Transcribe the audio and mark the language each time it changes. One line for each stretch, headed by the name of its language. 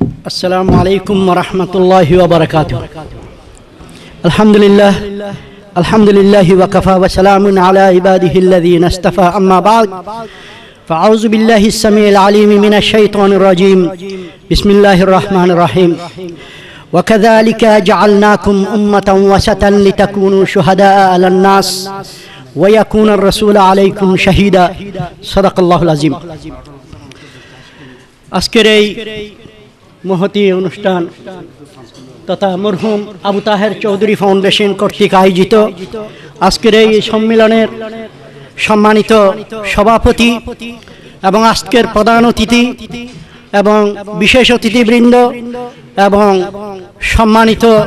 Bangla: আসসালামু আলাইকুম ওয়া রাহমাতুল্লাহি ওয়া বারাকাতুহু। আলহামদুলিল্লাহ আলহামদুলিল্লাহ ওয়া কাফা ওয়া সালামুন আলা ইবাদিহিল্লাযিনা ইসতাফা আম্মা বাদ ফাআউযু বিল্লাহি সামিউল আলীম মিনাশ শাইতানির রাজীম বিসমিল্লাহির রাহমানির রাহিম।
Arabic: وكذلك جعلناكم أمة وسطا لتكونوا شهداء على الناس ويكون الرسول عليكم شهيدا صدق الله العظيم।
Bangla: আজকের এই মহতি অনুষ্ঠান তথা মরহুম আবু তাহের চৌধুরী ফাউন্ডেশন কর্তৃক আয়োজিত আজকের এই সম্মেলনের সম্মানিত সভাপতি এবং আজকের প্রধান অতিথি এবং বিশেষ অতিথিবৃন্দ এবং সম্মানিত